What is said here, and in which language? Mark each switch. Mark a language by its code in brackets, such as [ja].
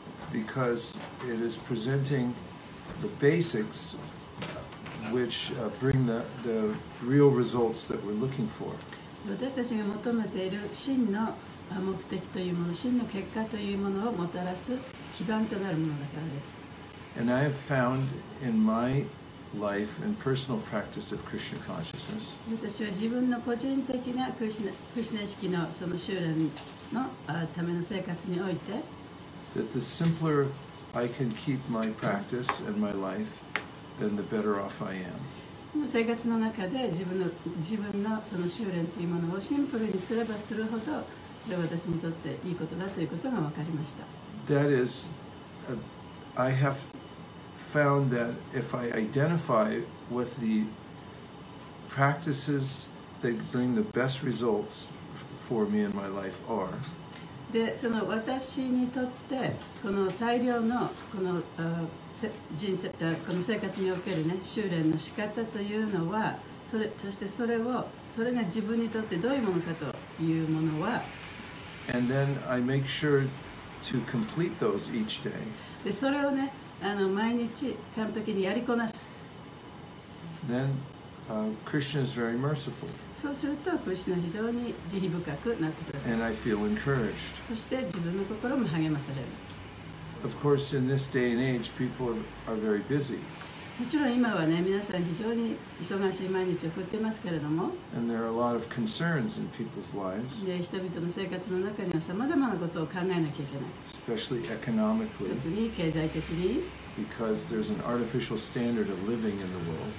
[en] Because it is presenting the basics which bring the real results that we're looking for. [ja] 私たちが求めている真の目的というもの、真の結果というものをもたらす基盤となるものだからです。 [en] And I have found in my life and personal practice of Krishna consciousness. [ja] 私は自分の個人的なクリシナ意識のその修練のための生活において。 [en] That the simpler I can keep my practice and my life, then the better off I am. [ja] 生活の中で自分の、 その修練というものをシンプルにすればするほど、それは私にとっていいことだということが分かりました。 [en] That is, I have found that if I identify with the practices that bring the best results for me in my life are. [ja] で、その私にとってこの最良のこの人生、この生活におけるね、修練の仕方というのは、それ、そしてそれを、それが自分にとってどういうものかというものは。 [en] And then I make sure to complete those each day. [ja] で、それをね、毎日完璧にやりこなす。 [en] Then, Krishna is very merciful. [ja] そうすると、クリシュナは非常に慈悲深くなってください。 [en] And I feel encouraged. [ja] そして自分の心も励まされる。 [en] Of course, in this day and age, people are very busy. [ja] もちろん今はね、皆さん非常に忙しい毎日を送ってますけれども。 [en] And there are a lot of concerns in people's lives. [ja] で、人々の生活の中にはさまざまなことを考えなきゃいけない。 [en] Especially economically. [ja] 特に経済的に。 [en] Because there's an artificial standard of living in the world.